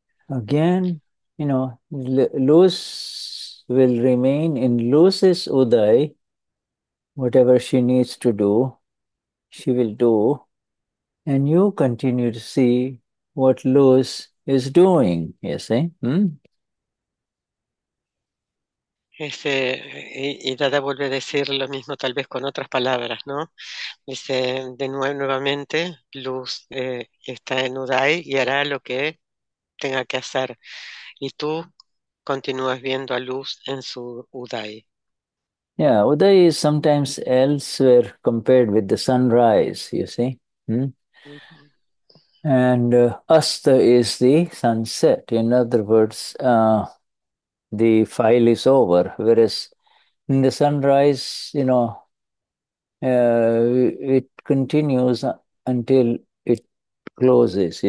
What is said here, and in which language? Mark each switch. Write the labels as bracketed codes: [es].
[en] Again, loose will remain in loose's Uday, whatever she needs to do, she will do. And you continue to see what Luz is doing, you see? [es] Y Dada vuelve a decir lo mismo, tal vez con otras palabras, ¿no? Dice, de nuevo, nuevamente, Luz está en Uday y hará lo que tenga que hacer. Y tú continúas viendo a Luz en su Uday. [en] Yeah, Uday is sometimes elsewhere compared with the sunrise, you see? And Asta is the sunset. In other words, the file is over. Whereas in the sunrise, it continues until it closes.